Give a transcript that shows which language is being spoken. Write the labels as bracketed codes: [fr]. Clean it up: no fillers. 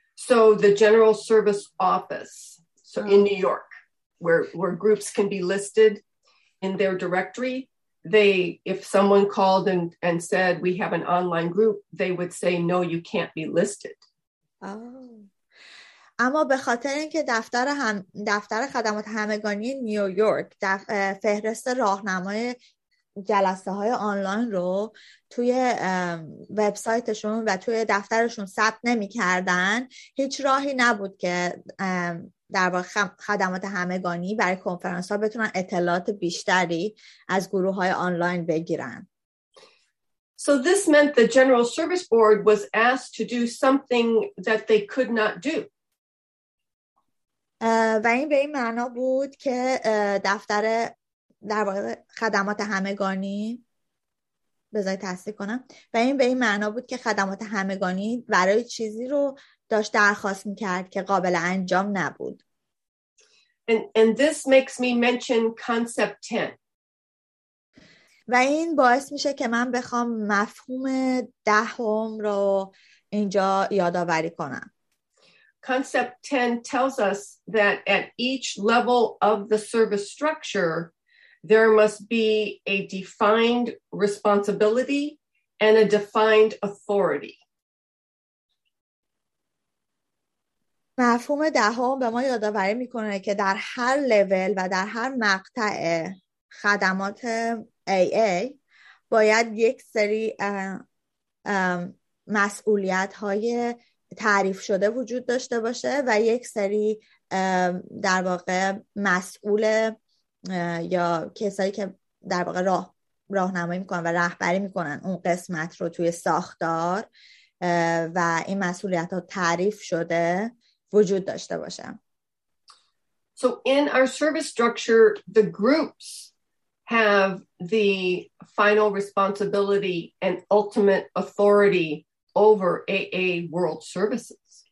[en] So the General Service Office, so in New York, where groups can be listed in their directory, they, if someone called and said, we have an online group, they would say, no, you can't be listed. [fa] اما به خاطر اینکه دفتر خدمات همگانی نیویورک فهرست راهنمای جلسه های آنلاین رو توی وبسایتشون و توی دفترشون ثبت نمی کردن، هیچ راهی نبود که در واقع خدمات همگانی برای کنفرانس ها بتونن اطلاعات بیشتری از گروه های آنلاین بگیرن. [en] So this meant the General Service Board was asked to do something that they could not do. [fa] و این به این معنا بود که دفتر در واقع خدمات همگانی بذارید تصدیق کنم و این به این معنا بود که خدمات همگانی برای چیزی رو داشت درخواست میکرد که قابل انجام نبود. [en] And this makes me mention concept 10. [fa] و این باعث میشه که من بخوام مفهوم دهم رو اینجا یادآوری کنم. [en] Concept 10 tells us that at each level of the service structure, there must be a defined responsibility and a defined authority. [fa] مفهوم دهم به ما یادآوری میکنه که در هر لول و در هر مقطع خدمات AA باید یک سری مسئولیت های تعریف شده وجود داشته باشه و یک سری در واقع مسئول یا کسایی که در واقع راهنمایی میکنن و رهبری میکنن اون قسمت رو توی ساختار و این مسئولیت ها تعریف شده وجود داشته باشه. [en] So in our service structure the groups have the final responsibility and ultimate authority over AA World Services.